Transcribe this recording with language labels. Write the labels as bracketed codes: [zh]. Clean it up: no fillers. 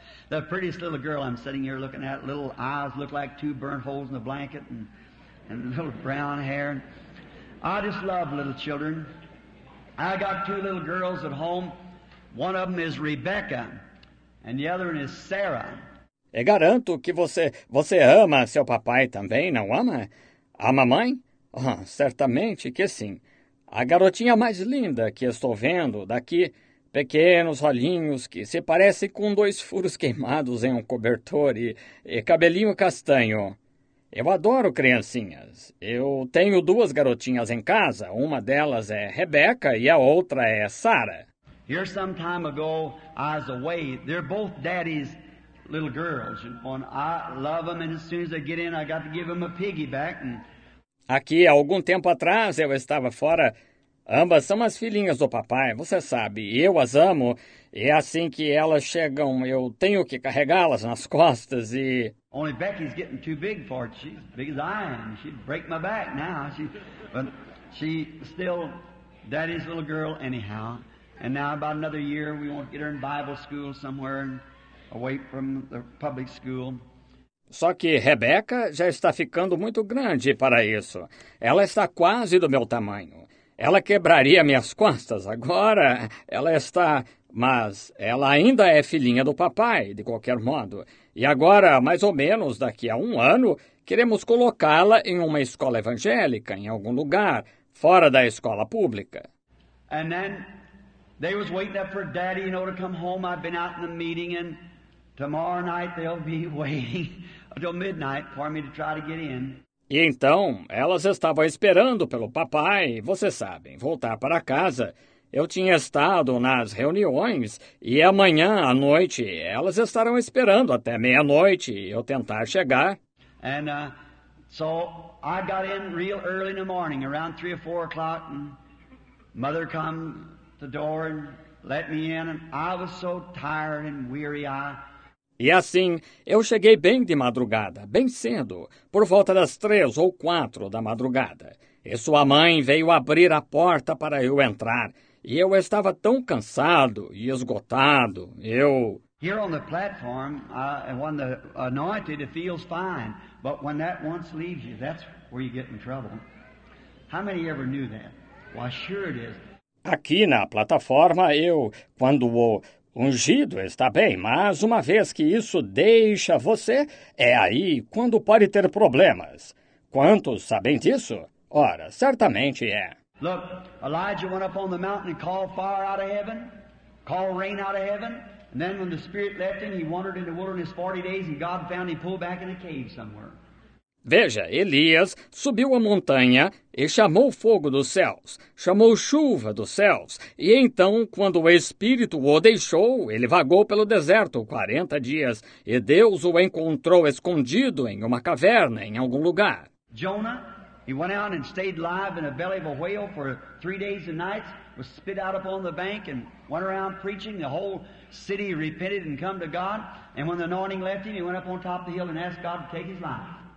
[en] The prettiest little girl I'm sitting here looking at, little eyes look like two burnt holes in the blanket and little brown hair. I just love little children. I got two little girls at home. One of them is Rebecca and the other one is Sarah. [pt] E garanto que você ama seu papai também, não ama? A mamãe? Oh, certamente que sim. A garotinha mais linda que estou vendo daqui, pequenos olhinhos que se parecem com dois furos queimados em um cobertor e cabelinho castanho. Eu adoro criancinhas. Eu tenho duas garotinhas em casa. Uma delas é Rebecca e a outra é Sarah. [en] Here some time ago, I was away. They're both daddy's little girls. And I love them, and as soon as they get in, I got to give them a piggyback. [pt] Aqui, há algum tempo atrás, eu estava fora. Ambas são as filhinhas do papai, você sabe. Eu as amo. E assim que elas chegam, eu tenho que carregá-las nas costas e... [en] Only Becky's getting too big for it. She's big as I am. She'd break my back now. But she's still daddy's little girl anyhow. And now about another year, we won't get her in Bible school somewhere and away from the public school. [pt] Só que Rebecca já está ficando muito grande para isso. Ela está quase do meu tamanho. Ela quebraria minhas costas. Agora ela está... Mas ela ainda é filhinha do papai, de qualquer modo. E agora, mais ou menos daqui a um ano, queremos colocá-la em uma escola evangélica, em algum lugar, fora da escola pública. [en] E then they was waiting up for daddy, you know, to come home. I've been out in the meeting and tomorrow night they'll be waiting until midnight for me to try to get in. [pt] E então, elas estavam esperando pelo papai, você sabe, voltar para casa. Eu tinha estado nas reuniões e amanhã à noite elas estarão esperando até meia-noite eu tentar chegar. [en] And so I got in real early in the morning, around 3 or 4 o'clock, and mother come to the door and let me in, and I was so tired and weary. [pt] E assim, eu cheguei bem de madrugada, bem cedo, por volta das 3 ou 4 da madrugada. E sua mãe veio abrir a porta para eu entrar. E eu estava tão cansado e esgotado, eu... [en] Here on the platform, when the anointed, it feels fine. But when that once leaves you, that's where you get in trouble. How many ever knew that? Well, sure it is. [pt] Aqui na plataforma, eu, quando o... Ungido está bem, mas uma vez que isso deixa você, é aí quando pode ter problemas. Quantos sabem disso? Ora, certamente é. [en] Look, Elijah went up on the mountain and called fire out of heaven, called rain out of heaven, and then when the Spirit left him, he wandered in the wilderness 40 days and God found him pulled back in a cave somewhere. [pt] Veja, Elias subiu a montanha e chamou fogo dos céus, chamou chuva dos céus, e então, quando o Espírito o deixou, ele vagou pelo deserto 40 dias, e Deus o encontrou escondido em uma caverna, em algum lugar. [en] Jonah, he went out and stayed alive in the belly of a whale for 3 days and nights, was spit out upon the bank and went around preaching. The whole city repented and come to God, and when the anointing left him, he went up on top of the hill and asked God to take his life.